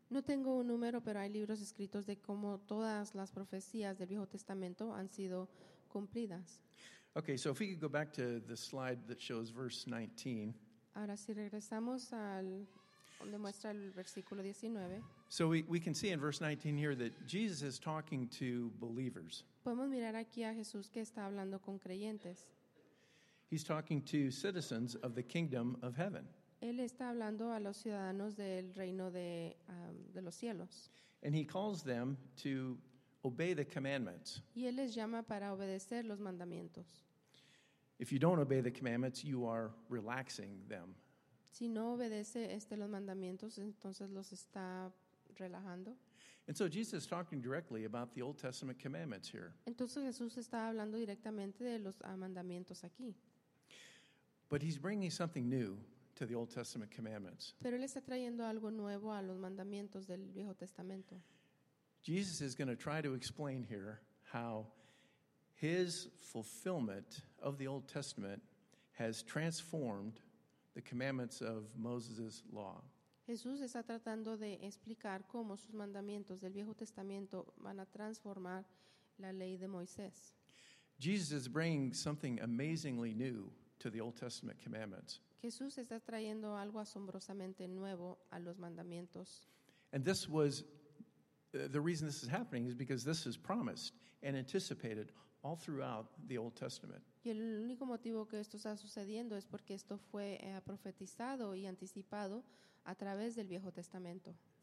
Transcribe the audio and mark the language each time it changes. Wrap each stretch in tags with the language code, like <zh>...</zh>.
<es>No tengo un número, pero hay libros escritos de cómo todas las profecías del Viejo Testamento han sido cumplidas.</es> <en>Okay, so if we could go back to the slide that shows verse 19.</en> <es>Ahora si regresamos al donde muestra el versículo 19.</es> <en>So we can see in verse 19 here that Jesus is talking to believers.</en> <es>Podemos mirar aquí a Jesús que está hablando con creyentes.</es> <en>He's talking to citizens of the kingdom of heaven.</en> <es>Él está hablando a los ciudadanos del reino de los cielos.</es> <en>And he calls them to obey the commandments.</en> <es>Y él les llama para obedecer los mandamientos.</es> <en>If you don't obey the commandments, you are relaxing them.</en> <es>Si no obedece los mandamientos, entonces los está relajando.</es> <en>And so Jesus is talking directly about the Old Testament commandments here.</en> <es>Entonces Jesús está hablando directamente de los mandamientos aquí.</es> <en>But he's bringing something new to the Old Testament commandments.</en> <es>Pero él está trayendo algo nuevo a los mandamientos del Viejo Testamento.</es> <en>Jesus is going to try to explain here how his fulfillment of the Old Testament has transformed the commandments of Moses' law.</en> <es>Jesús está tratando de explicar cómo sus mandamientos del Viejo Testamento van a transformar la ley de Moisés.</es> <en>Jesus is bringing something amazingly new to the Old Testament commandments.</en> <es>Jesús está trayendo algo asombrosamente nuevo a los mandamientos.</es> <en>And this was the reason this is happening is because this is promised and anticipated all throughout the Old Testament.</en> <es>Y el único motivo que esto está sucediendo es porque esto fue profetizado y anticipado a través del Viejo Testamento.</es>